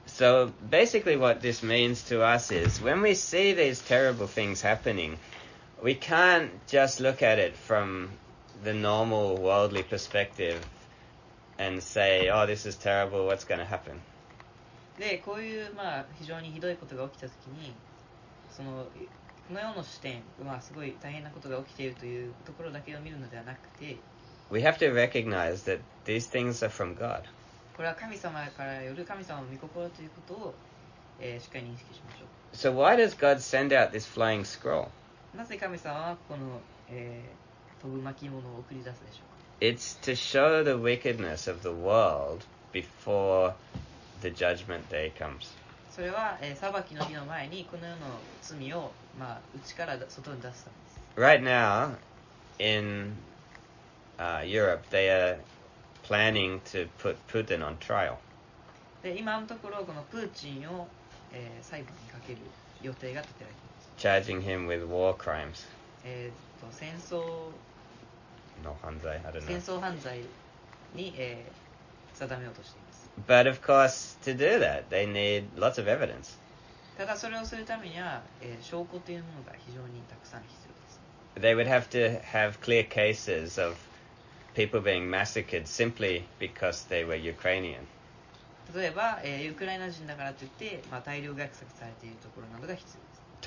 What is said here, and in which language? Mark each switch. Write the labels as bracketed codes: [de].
[en] So basically what this means to us is when we see these terrible things happening, we can't just look at it from the normal worldly perspective and say, oh, this is terrible, what's going to happen? [ja] で、こういう、非常にひどいことが起きたときに、その、この世の視点、すごい大変なことが起きているというところだけを見るのではなくて、 [en] We have to recognize that these things are from God. [ja] これは神様からよる神様の御心ということを、しっかり認識しましょう。 [en] So why does God send out this flying scroll? [ja] なぜ神様はこの、飛ぶ巻物を送り出すでしょうか? [en] It's to show the wickedness of the world before the judgment day comes. [ja] それは、裁きの日の前にこの世の罪を、内から外に出すためです。 [en] Right now, in, Europe, they areplanning to put Putin on trial. [ja] で、今のところこのプーチンを、裁判にかける予定が立てられています。 [en] charging him with war crimes. [ja] 戦争の犯罪、戦争犯罪に、定めようとしています。 [en] But of course, to do that, they need lots of evidence. [ja] ただそれをするためには、証拠というものが非常にたくさん必要です。 [en] They would have to have clear cases of people being massacred simply because they were Ukrainian. [ja] 例えば、ウクライナ人だからといって、まあ、大量虐殺されているところなどが必要です。